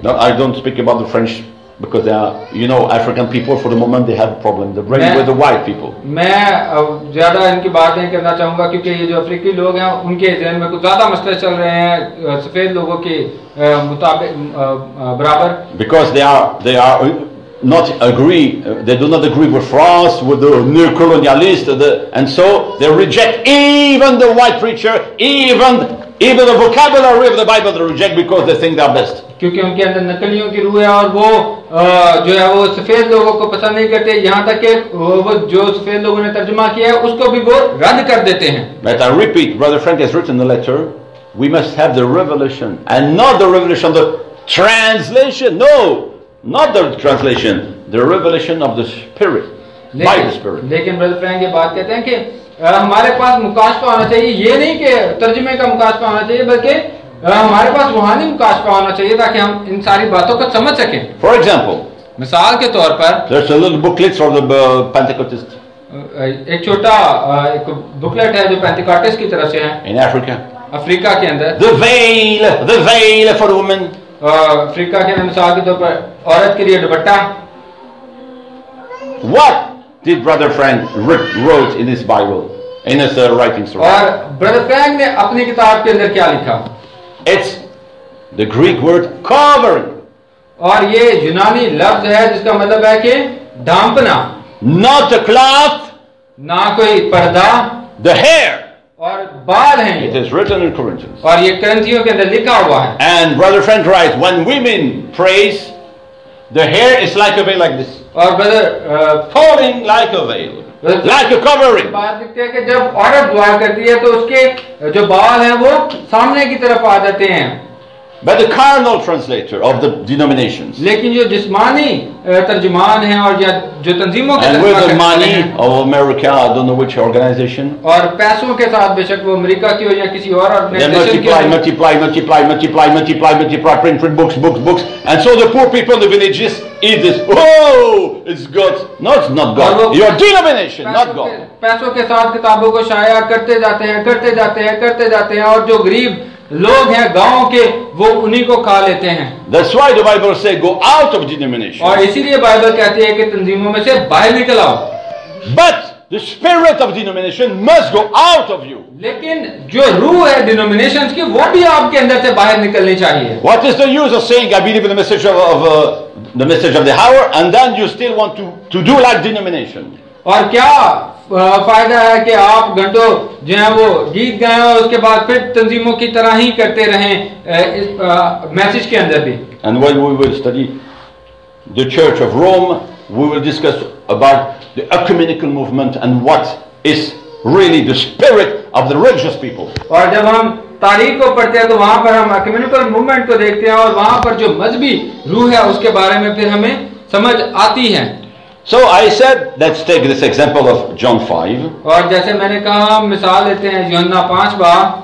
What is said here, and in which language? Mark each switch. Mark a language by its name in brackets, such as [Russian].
[English] No I don't speak about the French because they are, you know, African people for the moment they have a problem, the brain with the white people. [Hindi] मैं ज्यादा इनकी बात नहीं करना चाहूंगा क्योंकि ये जो अफ्रीकी लोग हैं उनके जहन में कुछ ज्यादा मसले चल रहे हैं सफेद लोगों के मुताबिक बराबर. [English] because they are not agree, they do not agree with France, with the neo-colonialists, and so they reject even the white preacher, even the vocabulary of the Bible they reject because they think they are best. [Hindi] क्योंकि उनके अंदर नकलियों की रूह है और वो जो है वो सफेद लोगों को पसंद नहीं करते यहाँ तक कि वो जो सफेद लोगों ने तर्जमा किया है उसको भी वो रद्द कर देते हैं। [English] But I repeat, Brother Frank has written the letter. We must have the revelation and not the revelation, the translation. No, not the translation, the revelation of the Spirit, by the Spirit. [Hindi] लेकिन Brother Frank ये बात कहते हैं कि हमारे पास मुकाशफा होना चाहिए ये नहीं कि तर्जमे का मुकाशफा होना चाहिए बल्कि हमारे पास रूहानी मुकाशफा होना चाहिए ताकि हम इन सारी बातों को समझ सकें [English] for example [Hindi] मिसाल के तौर पर [English] there's a little booklet for the Pentecostist. [Hindi] एक छोटा एक बुकलेट है जो पेंटेकोस्टिस्ट की तरफ से है [English] in Africa [Hindi] अफ्रीका के अंदर [English] the veil for women. [Hindi] Africa के अंदर मिसाल के तौर पर औरत के लिए दुपट्टा [English] What did Brother Frank wrote in his Bible, in his writings? [Hindi] और Brother Frank ने अपनी किताब के अंदर क्या लिखा? [English] It's the Greek word covered. [Hindi] और ये यूनानी लफ्ज है जिसका मतलब है कि ढांपना. [English] Not a cloth. [Hindi] ना कोई पर्दा. [English] The hair. [Hindi] और बाल हैं. [English] It is written in Corinthians. [Hindi] और ये करिन्थियों के अंदर लिखा हुआ है. [English] And Brother Frank writes, when women praise, the hair is like a veil like this. [Hindi] और brother [English] falling like a veil. Like a covering. [Hindi] बात लिखते हैं कि जब औरत दुआ करती है तो उसके जो बाल हैं वो सामने की तरफ आ जाते हैं. [English] But the carnal translator of the denominations. [Hindi] लेकिन जो जिस्मानी तर्जमान हैं और या जो तंजीमों के तर्जमान हैं. [English] And with the money of America, I don't know which organization. [Hindi] और पैसों के साथ बेशक वो अमेरिका की हो या किसी और organization की. [English] They multiply, print books, and so the poor people in the villages eat this. Oh, it's God. No, it's not God. Your denomination, not God. [Hindi] पैसों के साथ किताबों को शाया करते जाते हैं और जो गरीब लोग हैं गांव के वो उन्हीं को खा लेते हैं [English] That's why the Bible say, go out of denomination. [Hindi] और इसीलिए बाइबल कहती है कि तंजीमों में से बाहर निकल आओ [English] But the spirit of denomination must go out of you. [Hindi] लेकिन जो रूह है denominations की वो भी आपके अंदर से बाहर निकलनी चाहिए [English] What is the use of saying I believe in the message of the hour and then you still want to do like denomination? [Hindi] और क्या फायदा है कि आप घंटों जो है वो गीत गाए और उसके बाद फिर तंजीमों की तरह ही करते रहे इस मैसेज के अंदर भी [English] And when we will study the Church of Rome, we will discuss about the ecumenical movement and what is really the spirit of the religious people. [Hindi] और जब हम तारीख को पढ़ते हैं तो वहां पर हम ecumenical movement को देखते हैं और वहां पर जो मजहबी रूह है उसके बारे में फिर हमें समझ आती है [English] So I said, let's take this example of John 5. [Hindi] और जैसे मैंने कहा मिसाल लेते हैं यूहन्ना 5 बार.